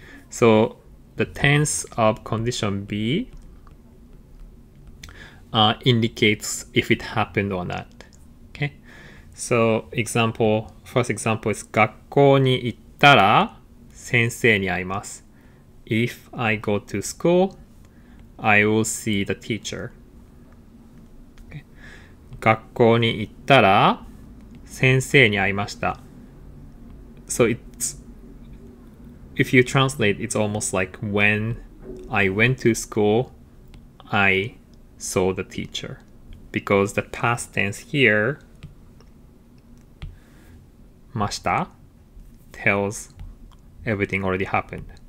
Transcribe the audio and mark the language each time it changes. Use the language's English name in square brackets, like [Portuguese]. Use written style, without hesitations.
[English] So the tense of condition B indicates if it happened or not. Okay. So example, first example is 学校に行ったら先生に会います。 If I go to school, I will see the teacher. Okay. [Japanese] 学校に行ったら先生に会いました。 [English] So if you translate, it's almost like when I went to school, I saw the teacher, because the past tense here mashita tells everything already happened.